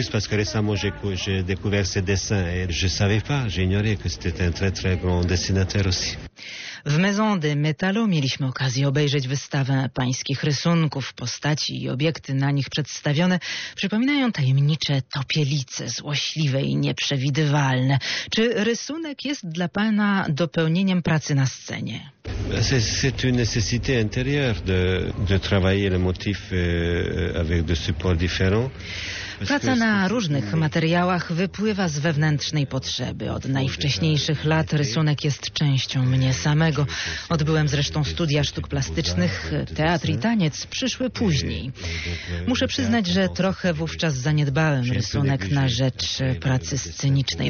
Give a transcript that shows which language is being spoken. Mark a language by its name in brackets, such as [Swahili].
[French] Récemment, j'ai découvert ses dessins et je savais pas, j'ignorais que c'était un très très grand dessinateur aussi. [Polish] W Maison de Metallo mieliśmy okazję obejrzeć wystawę pańskich rysunków, postaci i obiekty na nich przedstawione przypominają tajemnicze topielice, złośliwe i nieprzewidywalne. Czy rysunek jest dla pana dopełnieniem pracy na scenie? [French] C'est une nécessité intérieure de travailler les motifs avec des supports différents. [Polish] Praca na różnych materiałach wypływa z wewnętrznej potrzeby. Od najwcześniejszych lat rysunek jest częścią mnie samego. Odbyłem zresztą studia sztuk plastycznych, teatr i taniec przyszły później. Muszę przyznać, że trochę wówczas zaniedbałem rysunek na rzecz pracy scenicznej.